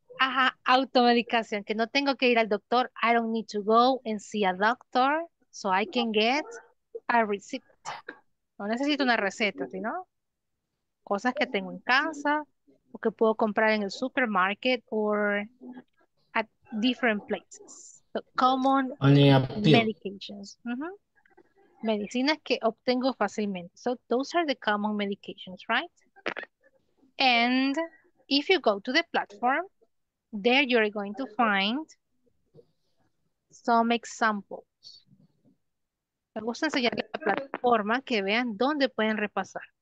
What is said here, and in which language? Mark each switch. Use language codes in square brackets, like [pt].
[es] Ajá, automedicación, que no tengo que ir al doctor. [en] I don't need to go and see a doctor so I can get a receipt. [es] No necesito una receta, sino cosas que tengo en casa o que puedo comprar en el supermarket [en] or at different places. So common medications. [es] Medicinas que obtengo fácilmente. [en] So those are the common medications, right? And if you go to the platform, there you're going to find some examples. [es] Me gusta enseñar la plataforma que vean dónde pueden repasar.